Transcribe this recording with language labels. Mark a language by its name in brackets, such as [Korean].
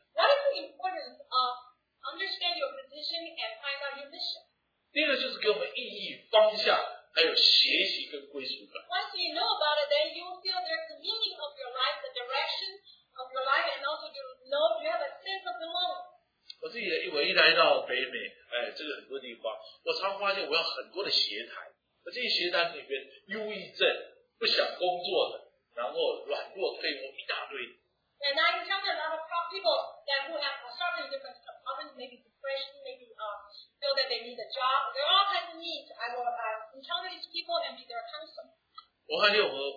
[English] What is the importance of understand your position and find out your mission? [Chinese] 第二个就是给我们意义、方向。还有学习跟归属感。 [English] Once you know about it, then you feel there's the meaning of your life, the direction of your life, and also you know you have a sense of belonging. [Chinese] 我自己一来到北美，这个很多地方，我常发现我有很多的鞋台，我这些鞋台里面忧郁症、不想工作的，然后软弱、退缩一大堆。 [English] And I encounter a lot of people that who have certain different problems, maybe depression, maybe feel that they need a job. There are all kinds of needs. I will encounter these people and be their counselor.